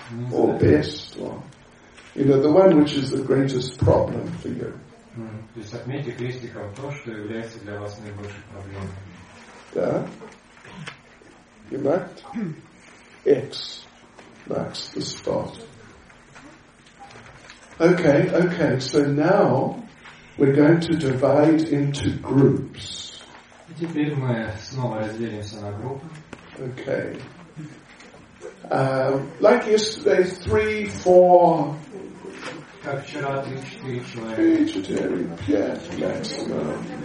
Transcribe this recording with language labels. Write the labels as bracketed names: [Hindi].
[English] Or best, or you know, the one which is the greatest problem for you. [Russian] То есть отметьте крестиком то, что является для вас наибольшей проблемой. [English] Да. You marked X marks the spot. Okay. So now we're going to divide into groups. [Russian] Теперь мы снова разделимся на группы. [English] Okay. Like yesterday, 3-4 [Russian] как вчера, 3-4 человек. [English] Vegetarian, yeah, maximum.